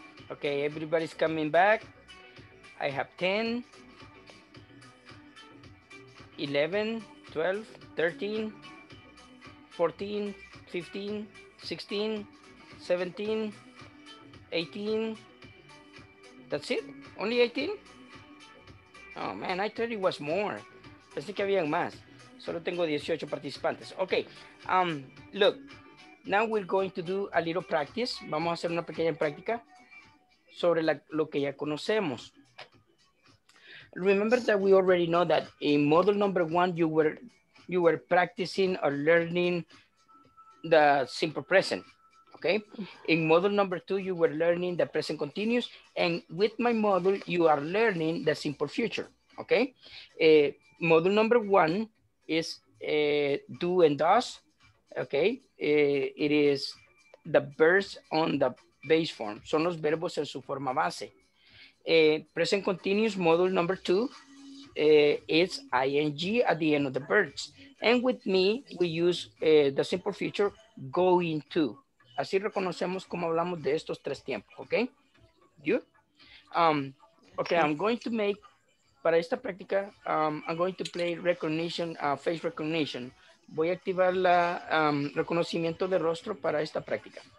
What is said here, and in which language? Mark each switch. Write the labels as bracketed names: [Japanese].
[English] Okay, everybody's coming back. I have 10, 11, 12, 13, 14, 15, 16, 17, 18, that's it? Only 18? Oh man, I thought it was more. [Spanish] Pensé que había más. Solo tengo 18 participantes. [English] Okay, look, now we're going to do a little practice. [Spanish] Vamos a hacer una pequeña práctica sobre lo que ya conocemos. [English] Remember that we already know that in module number one, you were practicing or learning the simple present. Okay, in module number two, you were learning the present continuous, and with my module, you are learning the simple future. Okay, module number one is do and does. Okay, it is the verbs on the base form. [Spanish] Son los verbos en su forma base. [English] Present continuous module number two is ing at the end of the verbs. And with me, we use the simple future going to. [Spanish] Así reconocemos cómo hablamos de estos tres tiempos, ¿ok? You? [English] Okay, I'm going to make, [Spanish] para esta práctica, [English] I'm going to play recognition, face recognition. [Spanish] Voy a activar la reconocimiento de rostro para esta práctica.